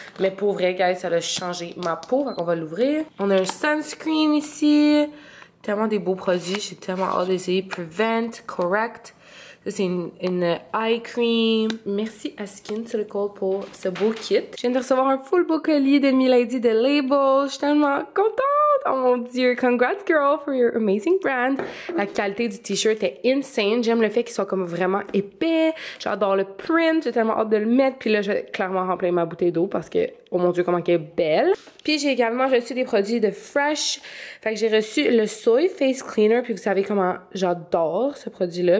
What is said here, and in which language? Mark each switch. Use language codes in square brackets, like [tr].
[fr] Mais pour vrai, guys, ça a changé ma peau. Fait qu'on va l'ouvrir. On a un sunscreen ici. Tellement des beaux produits. J'ai tellement hâte d'essayer. [en] Prevent, correct. [fr] C'est une eye cream. Merci à SkinCeuticals pour ce beau kit. Je viens de recevoir un full beau colis de Milady de Label. Je suis tellement contente. Oh mon dieu. [en] Congrats, girl, for your amazing brand. [fr] La qualité du t-shirt est insane. J'aime le fait qu'il soit comme vraiment épais. J'adore le print. J'ai tellement hâte de le mettre. Puis là, je vais clairement remplir ma bouteille d'eau parce que, oh mon dieu, comment elle est belle. Puis j'ai également reçu des produits de Fresh. Fait que j'ai reçu le Soy Face Cleaner. Puis vous savez comment j'adore ce produit-là.